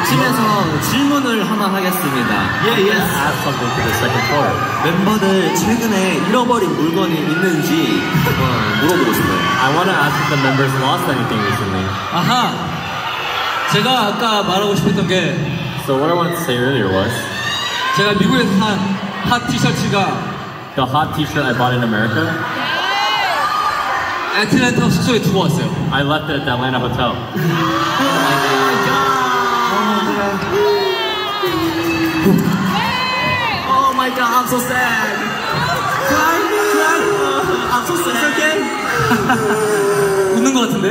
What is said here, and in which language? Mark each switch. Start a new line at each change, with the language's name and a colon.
Korean: 이쯤에서 질문을 하나 하겠습니다.
English: Yeah, yes. I have something for the second floor.
Korean: 멤버들 최근에 잃어버린 물건이 있는지 물어보고 싶어요.
English: I want to ask if the members lost anything recently.
Korean: 아하. 제가 아까 말하고 싶었던 게
English: So what I wanted to say earlier was
Korean: 제가 미국에서 산 핫 티셔츠가
English: The hot t-shirt I bought in America? Yeah!
Korean: 애틀랜타 숙소에 두고 왔어요.
English: I left it at the Atlanta hotel. Oh my god! Oh my god! Yeah! Oh my god, I'm so sad! Cry! I'm so sad! It's okay?
Korean: 웃는 것 같은데?